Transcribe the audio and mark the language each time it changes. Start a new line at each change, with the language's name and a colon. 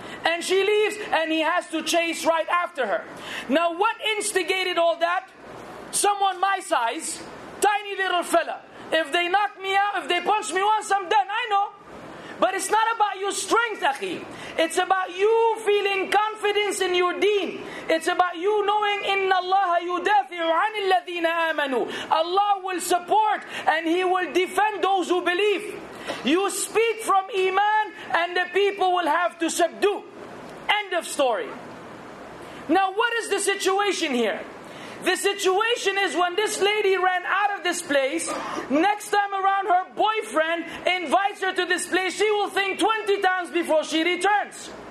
English: And she leaves, and he has to chase right after her. Now, what instigated all that? Someone my size, tiny little fella. If they knock me out, if they punch me once, I'm done. I know. But it's not about your strength, akhi. It's about you feeling confidence in your deen. It's about you knowing,
Arabic: إِنَّ اللَّهَ يُدَافِعُ عَنِ الَّذِينَ آمَنُوا.
English: Allah will support and He will defend those who believe. You speak from iman and the people will have to subdue. End of story. Now what is the situation here? The situation is when this lady ran out of this place, next time around her boyfriend invites her to this place, she will think 20 times before she returns.